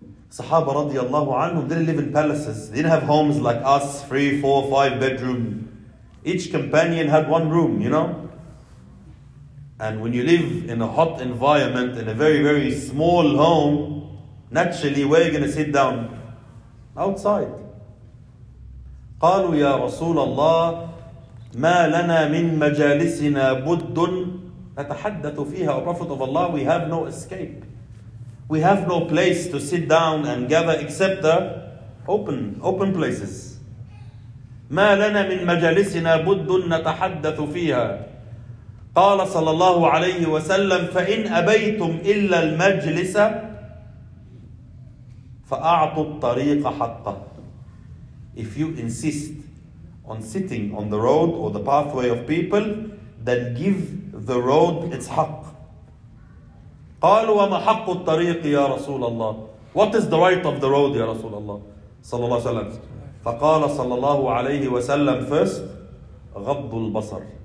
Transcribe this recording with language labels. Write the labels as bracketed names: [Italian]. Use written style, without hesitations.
[English] Sahaba radiallahu anhum didn't live in palaces. They didn't have homes like us, 3, 4, 5 bedroom. Each companion had one room, you know? And when you live in a hot environment, in a very, very small home, naturally, where are you going to sit down? Outside. [Arabic] قالوا يا رسول الله ما لنا من مجالسنا بد نتحدث فيها. [English] O Prophet of Allah, we have no escape. We have no place to sit down and gather except the open places. [Arabic] ما لنا من مجالسنا بد نتحدث فيها. قال صلى الله عليه وسلم فإن أبيتم إلا المجلس فأعطوا الطريق حقه. [English] If you insist on sitting on the road or the pathway of people, then give the road its حق. [Arabic] قال وما حق الطريق يا رسول الله. [English] What is the right of the road [Arabic] يا رسول الله صلى الله عليه وسلم. فقال صلى الله عليه وسلم first غض البصر.